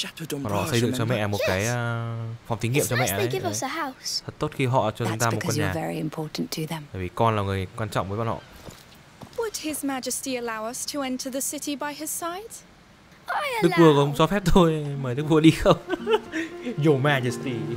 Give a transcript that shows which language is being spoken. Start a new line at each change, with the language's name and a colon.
Vietnamese: Còn họ xây dựng cho mẹ một cái phòng thí nghiệm cho mẹ ấy. Thật tốt khi họ cho chúng ta một căn nhà. Bởi vì con là người quan trọng với bọn họ.
English: Would His Majesty allow us to enter the city by his side?
Vietnamese: Đức vua không cho phép tôi mời đức vua đi không?
English: Your Majesty.